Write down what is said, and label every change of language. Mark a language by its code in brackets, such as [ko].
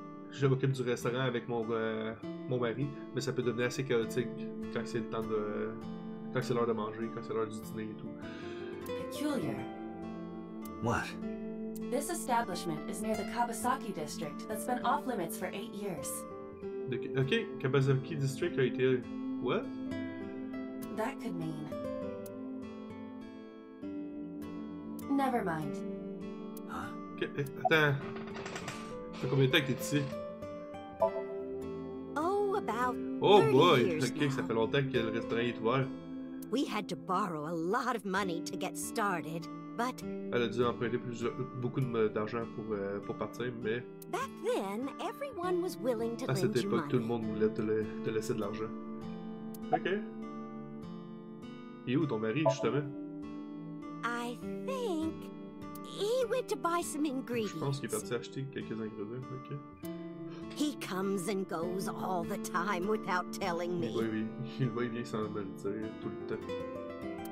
[fr] Je m'occupe du restaurant avec mon mari, mais ça peut devenir assez chaotique quand c'est le temps de quand c'est l'heure de manger, quand c'est l'heure du dîner et tout. [en] Peculiar. What? This establishment is near the Kabasaki district that's been off limits for 8 years. [fr] Ok, Kabasaki District a été... [en] What? That could mean... Never mind. [fr] Okay, attends. Ça fait combien de temps que t'es ici? [en] Oh, about oh boy! Years [fr] ok, ça fait longtemps que le restaurant est ouvert. [en] We had to borrow a lot of money to get started, but... [fr] Elle a dû emprunter beaucoup d'argent pour partir, mais... [en] Back then, everyone was willing to lend you money. [fr] Tout le monde voulait te laisser de l'argent. Ok. Et où ton mari, justement? [en] I think he went to buy some ingredients. [fr] Je pense qu'il est parti acheter quelques ingrédients. Ok. [en] He comes and goes all the time without telling me. [fr] Il va et vient sans me le dire tout le temps.